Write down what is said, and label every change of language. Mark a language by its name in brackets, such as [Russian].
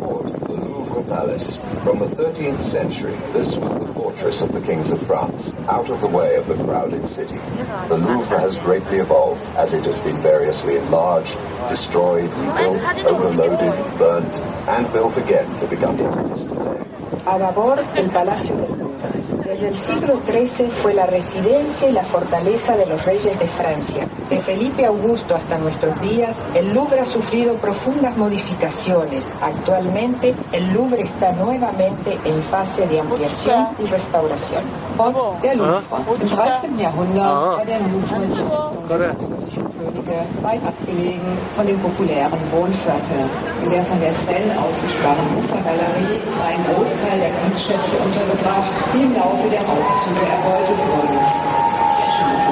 [English] 13th century, this was the fortress of the kings of France, out of the way of the crowded city. The Louvre has greatly evolved as it has been variously enlarged, destroyed, rebuilt, overloaded, burnt, and built again to become what it is today. [Spanish] A Babor, el Palacio del Louvre. Desde el siglo XIII fue la residencia y la fortaleza de los reyes de Francia. De Felipe Augusto hasta nuestros días, el Louvre ha sufrido profundas modificaciones. Actualmente, el Louvre está nuevamente en fase de ampliación y restauración. [German] Ort der Louvre. Im 13. Jahrhundert war der Louvre mit dem französischen König weit abgelegen von den populären Wohnvierteln. In der von der Seine aus sichtbaren Louvre-Galerie war ein Großteil der Kunstschätze untergebracht, die im Laufe der Raubzüge erbeutet wurden.